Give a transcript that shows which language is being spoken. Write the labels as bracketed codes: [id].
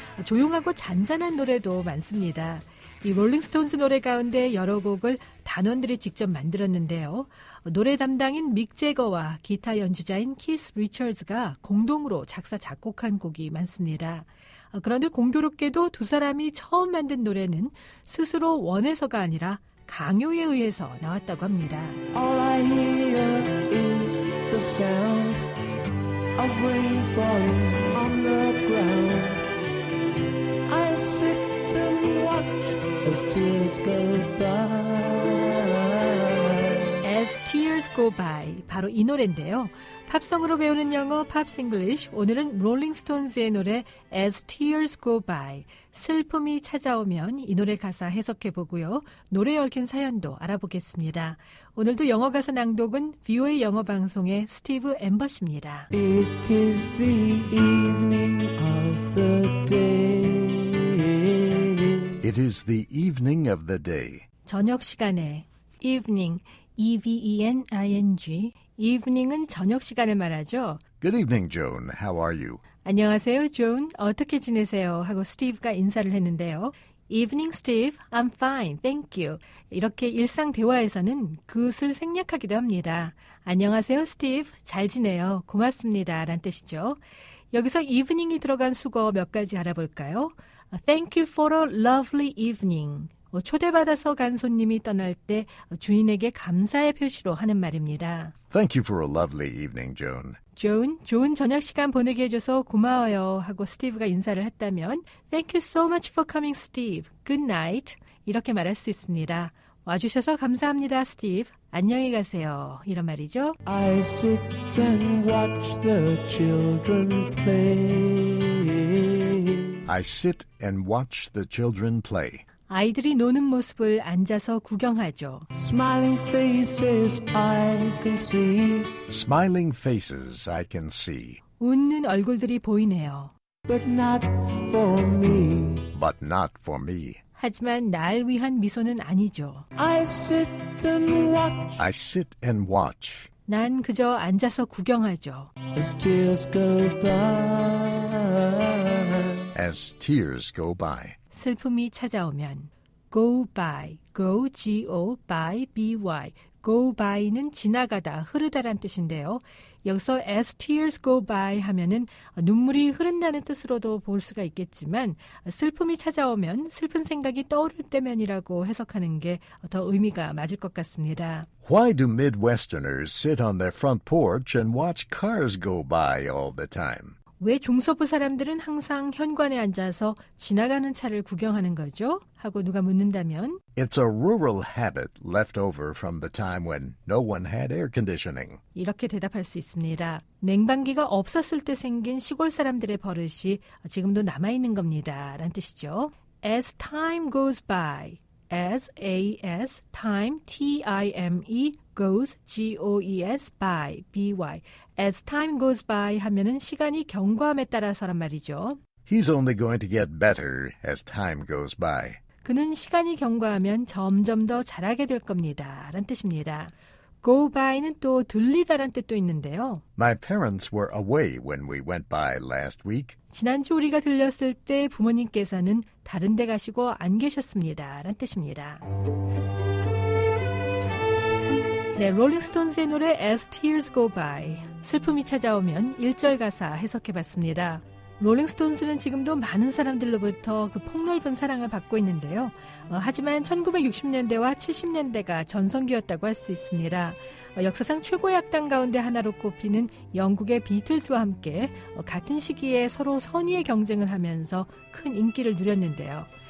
[ko] 조용하고 잔잔한 노래도 많습니다. 이 Rolling Stones 노래 가운데 여러 곡을 단원들이 직접 만들었는데요. 노래 담당인 믹 제거와 기타 연주자인 키스 리처즈가 공동으로 작사 작곡한 곡이 많습니다. 그런데 공교롭게도 두 사람이 처음 만든 노래는 스스로 원해서가 아니라 강요에 의해서 나왔다고 합니다. [en] All I hear is the sound of rain falling on the ground. as tears go by. [ko] As tears go by, 바로 이 노래인데요. 팝송으로 배우는 영어 팝스 잉글리시, 오늘은 롤링스톤즈의 노래 As Tears Go By, 슬픔이 찾아오면 이 노래 가사 해석해보고요. 노래에 얽힌 사연도 알아보겠습니다. 오늘도 영어 가사 낭독은 VOA 영어 방송의 스티브 앰버시입니다. [en] It is the evening of the day. It is the evening of the day. [ko] 저녁 시간에 evening, E-V-E-N-I-N-G. Evening은 저녁 시간을 말하죠. [en] Good evening, Joan. How are you? [ko] 안녕하세요, Joan. 어떻게 지내세요? 하고 스티브가 인사를 했는데요. [en] Evening, Steve. I'm fine. Thank you. [ko] 이렇게 일상 대화에서는 그것을 생략하기도 합니다. 안녕하세요, Steve. 잘 지내요. 고맙습니다. 라는 뜻이죠. 여기서 evening이 들어간 수거 몇 가지 알아볼까요? [en] Thank you for a lovely evening. [ko] 초대받아서 간 손님이 떠날 때 주인에게 감사의 표시로 하는 말입니다. [en] Thank you for a lovely evening, Joan. [ko] Joan, 좋은 저녁 시간 보내게 해줘서 고마워요 하고 스티브가 인사를 했다면 [en] Thank you so much for coming, Steve. Good night. [ko] 이렇게 말할 수 있습니다. 와주셔서 감사합니다, Steve. 안녕히 가세요. 이런 말이죠. [en] I sit and watch the children play. I sit and watch the children play. [ko] 아이들이 노는 모습을 앉아서 구경하죠. [en] Smiling faces I can see. Smiling faces I can see. [ko] 웃는 얼굴들이 보이네요. [en] But not for me. But not for me. [ko] 하지만 날 위한 미소는 아니죠. [en] I sit and watch. I sit and watch. [ko] 난 그저 앉아서 구경하죠. [en] As tears go by. As tears go by. [ko] 슬픔이 찾아오면 [en] go by, go, G-O, by, B-Y. [ko] go by는 지나가다, 흐르다란 뜻인데요. 여기서 as tears go by 하면은 눈물이 흐른다는 뜻으로도 볼 수가 있겠지만 슬픔이 찾아오면 슬픈 생각이 떠오를 때면이라고 해석하는 게 더 의미가 맞을 것 같습니다. [en] Why do Midwesterners sit on their front porch and watch cars go by all the time? [ko] 왜 중서부 사람들은 항상 현관에 앉아서 지나가는 차를 구경하는 거죠? 하고 누가 묻는다면 [en] It's a rural habit left over from the time when no one had air conditioning. [ko] 이렇게 대답할 수 있습니다. 냉방기가 없었을 때 생긴 시골 사람들의 버릇이 지금도 남아있는 겁니다. 라는 뜻이죠. [en] As time goes by, as time, T-I-M-E, goes, G-O-E-S, by, B-Y. [ko] As time goes by 하면은 시간이 경과함에 따라서란 말이죠. [en] He's only going to get better as time goes by. [ko] 그는 시간이 경과하면 점점 더 잘하게 될 겁니다. 라는 뜻입니다. Go by는 또 들리다란 뜻도 있는데요. [en] My parents were away when we went by last week. [ko] 지난주 우리가 들렸을 때 부모님께서는 다른 데 가시고 안 계셨습니다. 라는 뜻입니다. 네, 롤링스톤즈의 노래 As Tears Go By. 슬픔이 찾아오면 1절 가사 해석해봤습니다. 롤링스톤즈는 지금도 많은 사람들로부터 그 폭넓은 사랑을 받고 있는데요. 하지만 1960년대와 70년대가 전성기였다고 할 수 있습니다. 역사상 최고의 악단 가운데 하나로 꼽히는 영국의 비틀즈와 함께 같은 시기에 서로 선의의 경쟁을 하면서 큰 인기를 누렸는데요.